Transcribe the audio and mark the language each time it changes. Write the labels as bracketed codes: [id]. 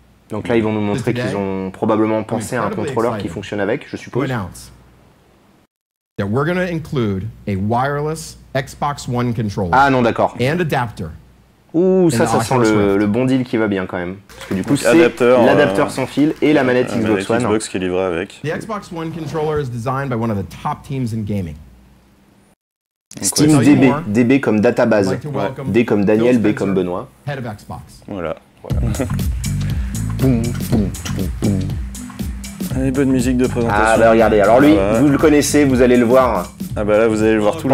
[fr] Donc là, ils vont nous montrer qu'ils ont probablement pensé à un contrôleur qui fonctionne avec, je suppose. [en] That we're going to include a wireless Xbox One controller. [fr] Ah non, d'accord. [en] And adapter. [fr] Ouh, ça sent le bon deal qui va bien quand même. Parce que du coup, l'adapteur sans fil et la manette Xbox One. Manette Xbox qui est livrée avec. [en] The Xbox One controller is designed by one of the top teams in gaming. [fr] SteamDB, DB comme database, D comme Daniel, B comme Benoît. [en] Head of [fr] Xbox. Voilà. Boum, boum, boum, boum. Allez, bonne musique de présentation. Ah bah regardez, alors lui, vous le connaissez, vous allez le voir. Ah bah là, vous allez le voir tout le